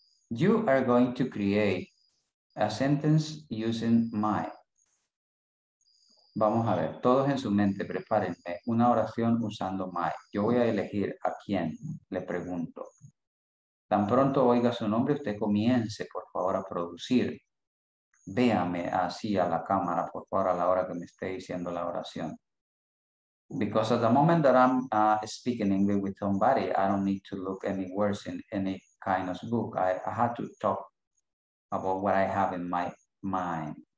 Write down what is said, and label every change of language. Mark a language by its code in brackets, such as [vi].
[en] You are going to create a sentence using my. [es] Vamos a ver, todos en su mente, prepárenme una oración usando my. Yo voy a elegir a quién, le pregunto. Tan pronto oiga su nombre, usted comience, por favor, a producir. Véame así a la cámara, por favor, a la hora que me esté diciendo la oración. [en] Because at the moment that I'm speaking English with somebody, I don't need to look any words in any kind of book. I had to talk about what I have in my mind.